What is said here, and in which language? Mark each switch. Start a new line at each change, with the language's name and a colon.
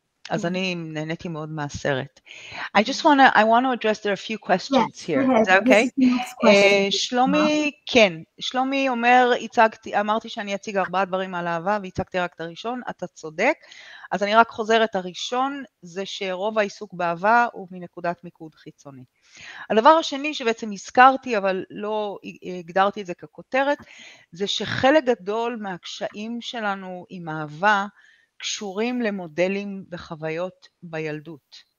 Hebrew: אז אני נהניתי מאוד מהסרט.
English: I want to address there a few questions yes, here. Yes, is that okay?
Hebrew: שלומי, כן. שלומי אומר, אמרתי שאני אציג ארבעה דברים על אהבה, והצגתי רק את הראשון. אתה צודק. אז אני רק חוזרת, הראשון זה שרוב העיסוק באהבה הוא מנקודת מיקוד חיצוני. הדבר השני שבעצם הזכרתי, אבל לא הגדרתי את זה ככותרת, זה שחלק גדול מהקשיים שלנו עם אהבה קשורים למודלים וחוויות בילדות.